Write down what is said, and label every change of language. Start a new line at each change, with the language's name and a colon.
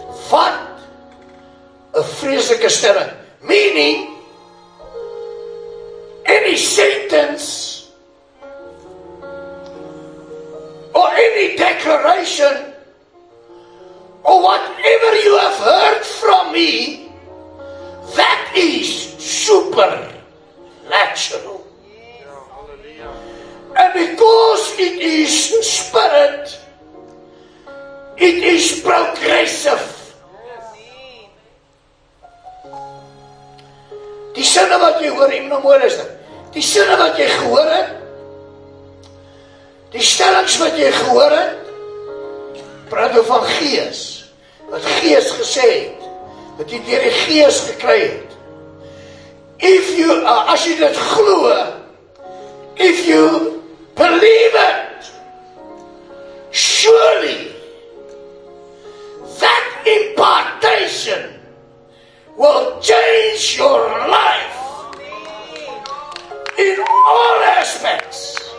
Afrikaans: Wat 'n vreeslike stelling,
English: meaning any sentence or any declaration or whatever you have heard from me, that is supernatural. And because it is spirit, it is progressive.
Afrikaans: Die sinne wat jy hoor, en nou is dit, die sinne wat jy gehoor het, die stellings wat jy gehoor het, praat van Gees, wat Gees gesê het, wat jy deur die Gees gekry het.
English: If you,
Afrikaans: as jy dit glo,
English: if you believe it, surely, that impartation will change your life in all aspects.